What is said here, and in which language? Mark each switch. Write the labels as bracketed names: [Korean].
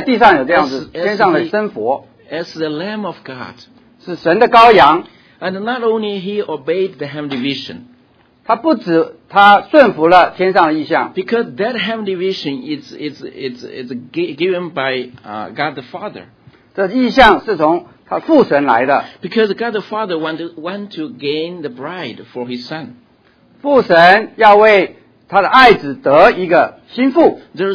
[Chinese] 我们就看到耶稣基督他顺服这天上来的意象，他在地上有这样子天上的身佛。 [English] As the Lamb of God. [Chinese] 是神的羔羊。 [English] And not only he obeyed the heavenly vision. [Chinese] 他不止他顺服了天上的意象。 [English] Because that heavenly vision is given by God the Father. [Chinese] 这意象是从他父神来的。 [English] Because God the Father want to gain the bride for His Son. [Chinese] 父神要为他的爱子得一个心腹。 [English] There